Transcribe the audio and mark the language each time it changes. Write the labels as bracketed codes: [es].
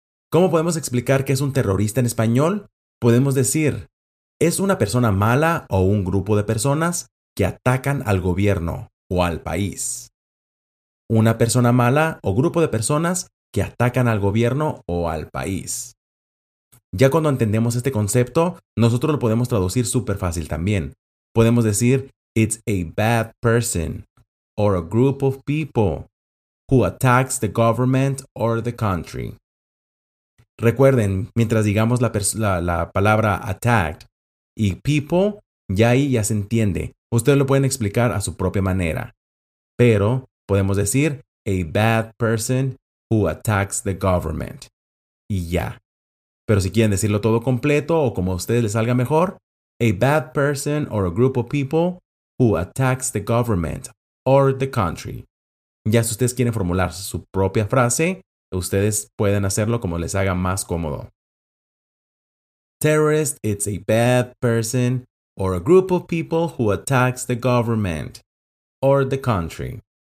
[es] ¿Cómo podemos explicar qué es un terrorista en español? Podemos decir, es una persona mala o un grupo de personas que atacan al gobierno o al país. Una persona mala o grupo de personas que atacan al gobierno o al país. Ya cuando entendemos este concepto, nosotros lo podemos traducir súper fácil también. Podemos decir, [en] it's a bad person or a group of people who attacks the government or the country. [es] Recuerden, mientras digamos la palabra attacked y people, ya ahí ya se entiende. Ustedes lo pueden explicar a su propia manera. Pero podemos decir, [en] a bad person who attacks the government. [es] Y ya. Pero si quieren decirlo todo completo o como a ustedes les salga mejor, [en] a bad person or a group of people who attacks the government or the country. [es] Ya si ustedes quieren formular su propia frase, ustedes pueden hacerlo como les haga más cómodo. [en] Terrorist, it's a bad person or a group of people who attacks the government or the country.